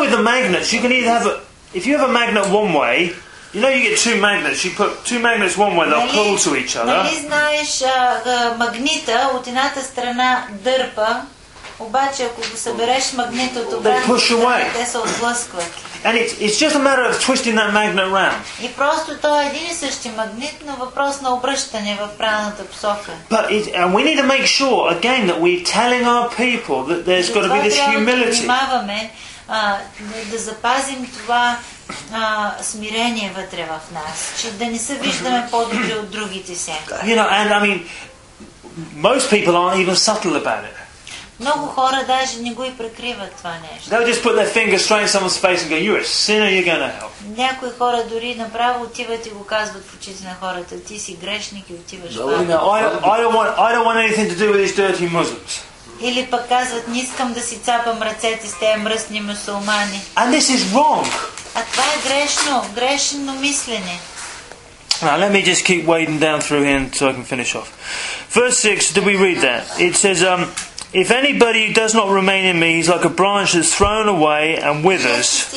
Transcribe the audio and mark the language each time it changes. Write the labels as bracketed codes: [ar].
[en] with the magnets, you can either have a, if you have a magnet one way, you know, you get two magnets, you put two magnets one way, they'll pull to each other. [bg] Нали знаеш, магнита от едната страна дърпа, обаче ако го събереш магнитото, [en] they push away. [bg] Те се отблъскват. [en] And it's just a matter of twisting that magnet round. [bg] И просто то е един и същи магнит, но въпрос на обръщане в правилната посока. [en] But it, and we need to make sure again that we're telling our people that there's got to be this humility. [bg] Да внимаваме, да запазим това смирение вътре в нас, че да не се виждаме по-добре от другите сега. [en] You know, and I mean, most people aren't even subtle about it. [bg] Много хора даже не го и прикриват това нещо. [en] They'll just put their finger straight in someone's face and go, "You're a sinner, you're gonna hell." [bg] Някои хора дори направо отиват и го казват в очите на хората, ти си грешник и отиваш в ада. [en] I don't want anything to do with these dirty Muslims. [bg] Или пък казват, не искам да си цапам ръцете с тези мръсни мюсюлмани. [en] And this is wrong. [bg] А това е грешно, грешно мислене. [en] Now let me just keep wading down through here so I can finish off. Verse 6, did we read that? It says, if anybody who does not remain in me, he's like a branch that's thrown away and withers.